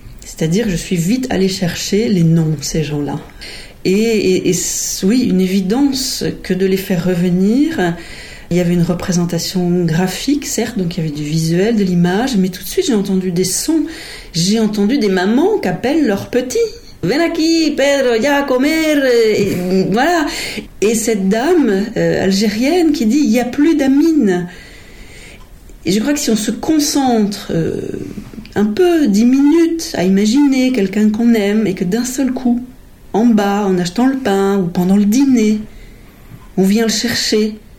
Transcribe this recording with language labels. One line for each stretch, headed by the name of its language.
French: C'est-à-dire, je suis vite allée chercher les noms de ces gens-là. Et oui, une évidence que de les faire revenir. Il y avait une représentation graphique, certes, donc il y avait du visuel, de l'image, mais tout de suite j'ai entendu des sons. J'ai entendu des mamans qui appellent leurs petits.
Spanish: « Ven aquí, Pedro, ya a comer !»
French: Voilà. Et cette dame algérienne qui dit « Il n'y a plus d'amine !» Et je crois que si on se concentre un peu, 10 minutes, à imaginer quelqu'un qu'on aime, et que d'un seul coup, en bas, en achetant le pain, ou pendant le dîner, on vient le chercher...